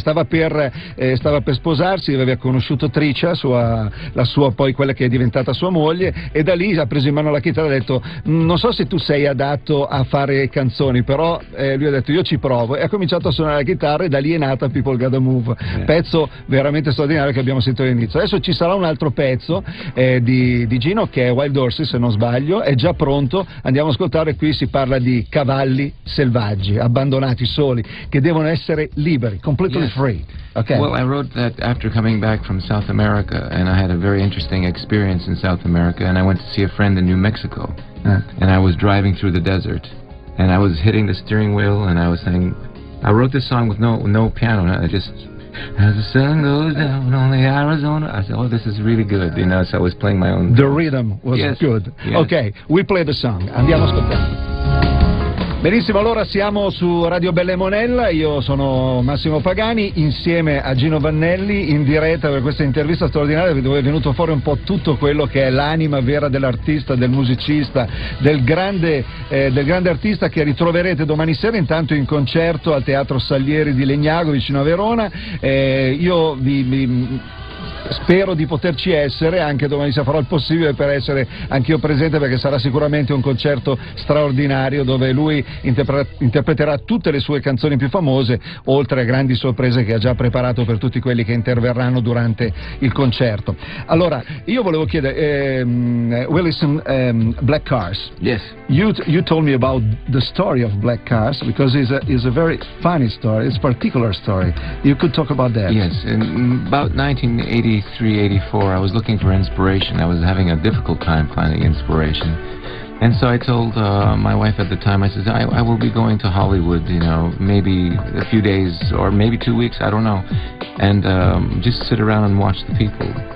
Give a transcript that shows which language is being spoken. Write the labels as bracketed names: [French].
[Italian] Stava per sposarsi, aveva conosciuto Tricia, quella che è diventata sua moglie, e da lì ha preso in mano la chitarra e ha detto, non so se tu sei adatto a fare canzoni, però lui ha detto, io ci provo, e ha cominciato a suonare la chitarra, e da lì è nata People Gotta Move. Pezzo veramente straordinario che abbiamo sentito all'inizio. Adesso ci sarà un altro pezzo di Gino, che è Wild Horses, se non sbaglio, è già pronto, andiamo a ascoltare. Qui si parla di cavalli selvaggi, abbandonati, soli, che devono essere liberi, completely [English] yes. free. Okay. Well, I wrote that after coming back from South America, and I had a very interesting experience in South America, and I went to see a friend in New Mexico, and I was driving through the desert, and I was hitting the steering wheel, and I was saying, I wrote this song with no piano, I just... As the sun goes down on the Arizona, I said, oh, this is really good, you know, so I was playing my own. The rhythm was yes. good. Yes. Okay, we play the song. Andiamo a ascoltare. [Italian] Benissimo, allora siamo su Radio Bella e Monella, io sono Massimo Pagani insieme a Gino Vanelli in diretta per questa intervista straordinaria dove è venuto fuori un po' tutto quello che è l'anima vera dell'artista, del musicista, del grande artista, che ritroverete domani sera intanto in concerto al Teatro Salieri di Legnago vicino a Verona. Io vi spero di poterci essere, anche domani sera farò il possibile per essere anch'io presente, perché sarà sicuramente un concerto straordinario dove lui interpreterà tutte le sue canzoni più famose, oltre a grandi sorprese che ha già preparato per tutti quelli che interverranno durante il concerto. Allora, io volevo chiedere, Willison, Black Cars. [English] Yes. You told me about the story of Black Cars, because it's a very funny story, it's a particular story. You could talk about that. Yes, in about 1983-84, I was looking for inspiration. I was having a difficult time finding inspiration. And so I told my wife at the time, I said, I will be going to Hollywood, you know, maybe a few days or maybe 2 weeks, I don't know, and just sit around and watch the people.